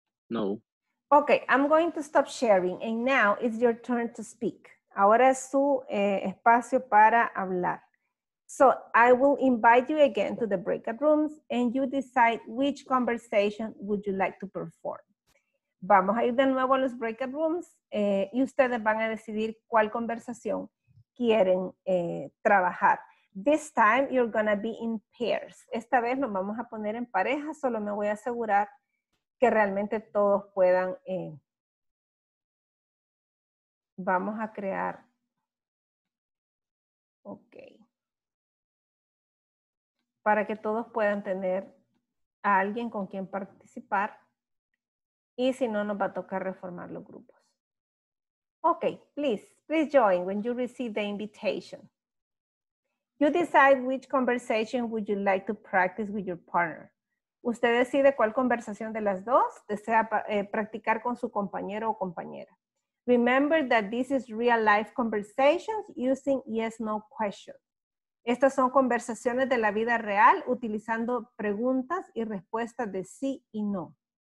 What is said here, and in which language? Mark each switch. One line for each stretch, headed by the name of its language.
English: No. Okay, I'm going to stop sharing. And now it's your turn to speak.
Spanish: Ahora es su espacio para hablar.
English: So I will invite you again to the breakout rooms and you decide which conversation would you like to perform.
Spanish: Vamos a ir de nuevo a los breakout rooms y ustedes van a decidir cuál conversación quieren trabajar.
English: This time you're going to be in pairs.
Spanish: Esta vez nos vamos a poner en pareja, solo me voy a asegurar que realmente todos puedan Vamos a crear.
English: Ok.
Spanish: Para que todos puedan tener a alguien con quien participar. Y si no, nos va a tocar reformar los grupos.
English: Ok, please join when you receive the invitation. You decide which conversation would you like to practice with your partner.
Spanish: Usted decide cuál conversación de las dos desea practicar con su compañero o compañera.
English: Remember that this is real life conversations using yes, no questions.
Spanish: Estas son conversaciones de la vida real utilizando preguntas y respuestas de sí y no.